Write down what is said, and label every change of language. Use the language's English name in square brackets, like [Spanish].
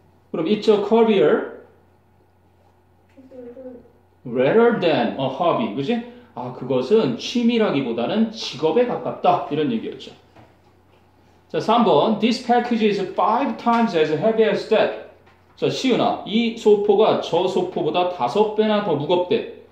[Korean] 그럼 [English] It's a career rather than a hobby. [Korean] 그치? 아, 그것은 취미라기보다는 직업에 가깝다. 이런 얘기였죠. 자, 3번. [English] This package is 5 times as heavy as that. [Korean] 자, 시윤아. 이 소포가 저 소포보다 5배나 더 무겁대.